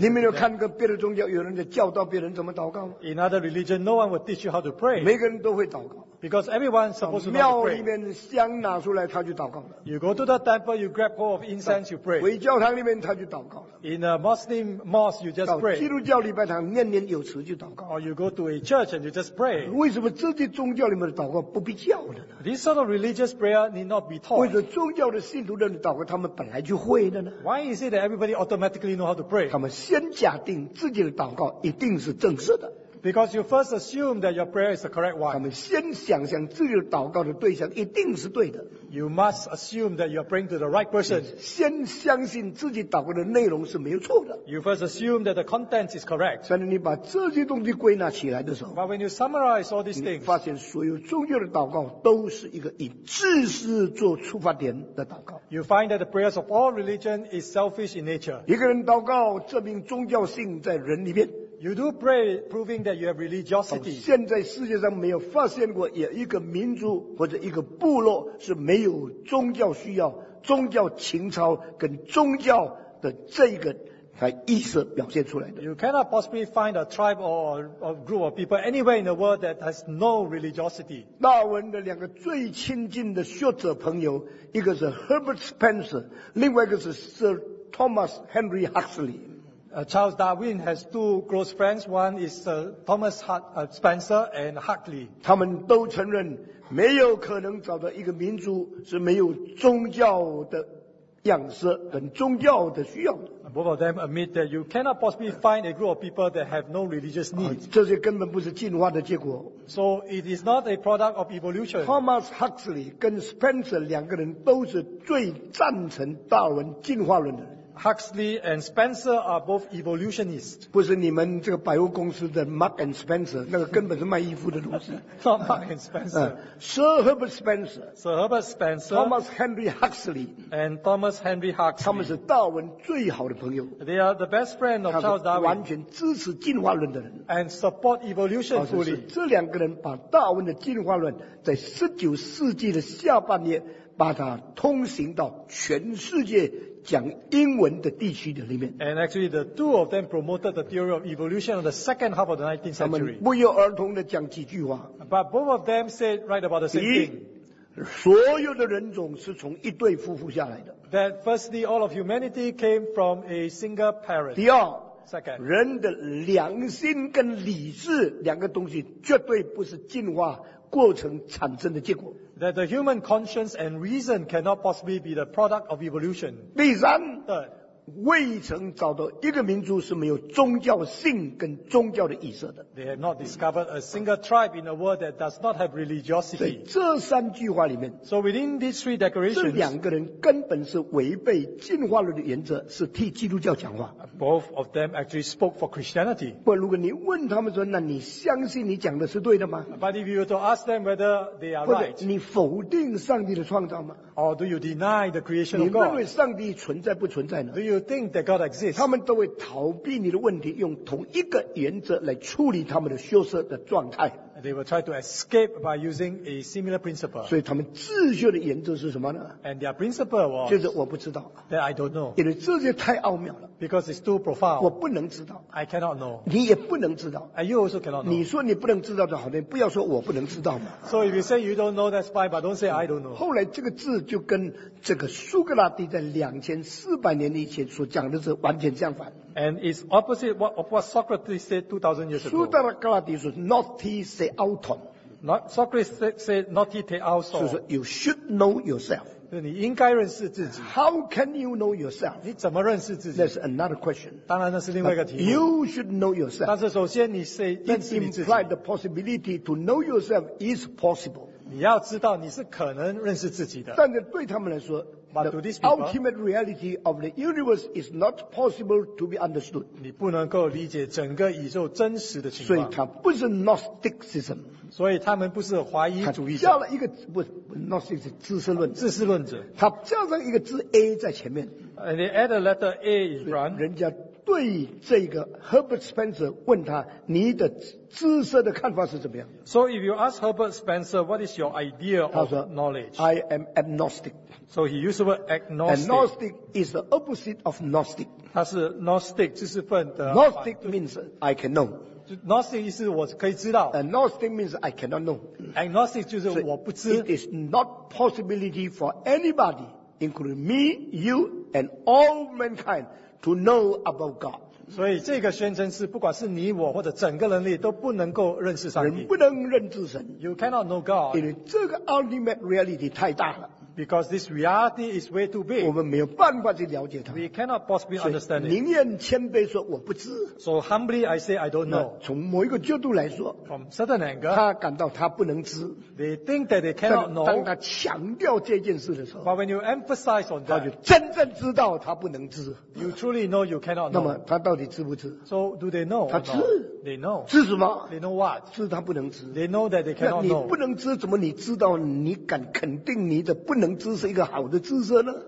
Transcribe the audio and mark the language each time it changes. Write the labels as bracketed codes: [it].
[zh] 你没有看过别的宗教有人在教导别人怎么祷告 [en] ？In other religion, no one will teach you how to pray. [zh] 每个人都会祷告。 [en] Because everyone supposed to pray. [zh] 庙里面香拿出来，他就祷告了。 [en] You go to the temple, you grab hold of incense, you pray. [zh] 回教堂里面，他就祷告了。 [en] In a Muslim mosque, you just pray. [zh] 基督教礼拜堂念念有词就祷告。 [en] Or you go to a church and you just pray. [zh] 为什么这些宗教里面的祷告不必教的呢 [en] ？This sort of religious prayer need not be taught. [zh] 为什么宗教的信徒的祷告他们本来就会的呢 [en] ？Why is it that everybody automatically know how to pray? [zh] 他们先假定自己的祷告一定是正式的。 [en] Because you first assume that your prayer is the correct one. [zh] 他们先想象自己祷告的对象一定是对的。 [en] You must assume that you are praying to the right person. [zh] 先相信自己祷告的内容是没有错的。 [en] You first assume that the content is correct. [zh] 但是你把这些东西归纳起来的时候 [en] ，But when you summarize all these things, [zh] 你发现所有宗教的祷告都是一个以自私做出发点的祷告。 [en] You find that the prayers of all religion is selfish in nature. [zh] 一个人祷告证明宗教性在人里面。 [en] You do pray, proving that you have religiosity. [zh] 现在世界上没有发现过有一个民族或者一个部落是没有宗教需要、宗教情操跟宗教的这个意识表现出来的。 [en] You cannot possibly find a tribe or a group of people anywhere in the world that has no religiosity. [zh] 大文的两个最亲近的学者朋友，一个是 Herbert Spencer， 另外一个是 Sir Thomas Henry Huxley。 [en] Charles Darwin has two close friends. One is Thomas Spencer and Huxley. [zh] 他们都承认没有可能找到一个民族是没有宗教的样式跟宗教的需要的。 [en] Both of them admit that you cannot possibly find a group of people that have no religious needs. [zh] 这些根本不是进化的结果。 [en] So it is not a product of evolution. [zh] Thomas Huxley 跟 Spencer 两个人都是最赞成达尔文进化论的人。 [en] Huxley and Spencer are both evolutionists. [zh] 不是你们这个百货公司的 Mark and Spencer， 那个根本是卖衣服的东西。 [en] Not Mark and Spencer. Sir Herbert Spencer. Sir Herbert Spencer. Thomas Henry Huxley. And Thomas Henry Huxley. [zh] 他们是达尔文最好的朋友。 [en] They are the best friend of Charles Darwin. [zh] 完全支持进化论的人。 [en] And support evolution fully. [zh] 这两个人把达尔文的进化论在十九世纪的下半叶把它通行到全世界讲英文的地区的里面。 [en] And actually, the two of them promoted the theory of evolution in the second half of the 19th century. [zh] 他们不约而同地讲几句话。 [en] But both of them said right about the same thing. [zh] 所有的人种是从一对夫妇下来的。 [en] That firstly, all of humanity came from a single parent. [zh] 第二。 [en] Second, [zh] 人的良心跟理智两个东西绝对不是进化过程产生的结果。 [en] That the human conscience and reason cannot possibly be the product of evolution. [zh] 第三，未曾找到一个民族是没有宗教性跟宗教的意识的。 [en] They have not discovered a single tribe in the world that does not have religiosity. [zh] 在这三句话里面 [en] ，So within these three declarations, [zh] 这两个人根本是违背进化论的原则，是替基督教讲话。 [en] Both of them actually spoke for Christianity. [zh] 不，如果你问他们说，那你相信你讲的是对的吗 [en] ？But if you were to ask them whether they are right, [zh] 你否定上帝的创造吗 [en] ？Or do you deny the creation of God? [zh] 你认为上帝存在不存在呢？ [en] Do you think that God exists? [zh] 他们都会逃避你的问题，用同一个原则来处理他们的羞涩的状态。 [en] They will try to escape by using a similar principle. [zh] 所以他们自救的原则是什么呢 [en] ？And their principle was [zh] 就是我不知道。 [en] That I don't know. [zh] 因为这些太奥妙了。 [en] Because it's too profound. [zh] 我不能知道。 [en] I cannot know. [zh] 你也不能知道。 [en] And you also cannot know. [zh] 你说你不能知道就好，你不要说我不能知道嘛。 [en] So if you say you don't know, that's fine, but don't say I don't know. [zh] 后来这个字就跟这个苏格拉底在2400年以前所讲的是完全相反。 [en] And it's opposite of what Socrates said 2000 years ago. Socrates said, "Naughty se auton." Socrates said, "Naughty te auton." 就是 you should know yourself. [zh] 你应该认识自己。 [en] How can you know yourself? [zh] 你怎么认识自己 [en] ？That's another question. [zh] 当然那是另外一个题目。 [en] You should know yourself. [zh] 但是首先你是认识你自己。 [en] That implies the possibility to know yourself is possible. [zh] 你要知道你是可能认识自己的。但是对他们来说。 [en] But to these people, the ultimate reality of the universe is not possible to be understood. [zh] 你不能够理解整个宇宙真实的情况。所以他不是 Gnosticism。所以他们不是怀疑主义者。他加了一个不是 Gnosticism 知识论知识论者。他加上一个字 A 在前面。 [en] And they add a letter A in front. [zh] 人家对这个 Herbert Spencer 问他你的知识的看法是怎么样 [en] ？So if you ask Herbert Spencer, what is your idea of knowledge? I am agnostic. So he used the word agnostic. Agnostic is the opposite of gnostic. [zh] 他是 gnostic 知识分子。 [en] Gnostic means I can know. [zh] Gnostic 意思我可以知道。 [en] Agnostic means I cannot know. [zh] Agnostic 就是我不知。 [en] So、it is not possibility for anybody, including me, you, and all mankind, to know about God. [zh] 所以这个宣称是不管是你我或者整个人类都不能够认识上帝。人不能认知神。 [en] You cannot know God. [zh] 因为这个 [en] ultimate reality [zh] 太大了。 [en] Because this reality is way too big. [zh] 我们没有办法去了解它。 [en] We cannot possibly understand it. [zh] 宁愿谦卑说我不知。 [en] So humbly I say I don't know. [zh] 从某一个角度来说。 [en] From certain angle. [zh] 他感到他不能知。 [en] They think that they cannot know. [zh] 当他强调这件事的时候。 [en] But when you emphasize on that. [zh] 他就真正知道他不能知。 [en] You truly know you cannot know. [zh] 那么他到底知不知 [en] ？So do they know? [zh] 他知。 [en] They know. [zh] 知什么 [en] ？They know what? [zh] 知他不能知。 [en] They know that they cannot know. [zh] 那你不能知，怎么你知道？你敢肯定你的不能知是一个好的知识呢？